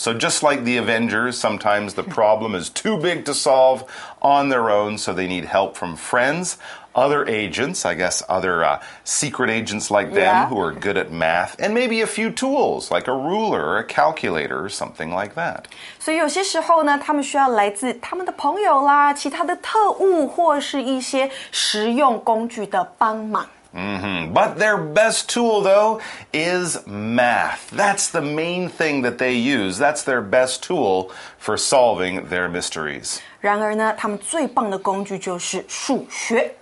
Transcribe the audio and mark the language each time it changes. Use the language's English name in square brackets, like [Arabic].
[English] So just like the Avengers, sometimes the problem is too big to solve on their own, so they need help from friends, other agents, I guess other secret agents like them, yeah, who are good at math, and maybe a few tools, like a ruler or a calculator or something like that. [Chinese] 所以有些时候呢，他们需要来自他们的朋友啦，其他的特务或是一些实用工具的帮忙。 [English] But their best tool, though, is math. That's the main thing that they use. That's their best tool for solving their mysteries. [Chinese] 然而呢，他们最棒的工具就是数学。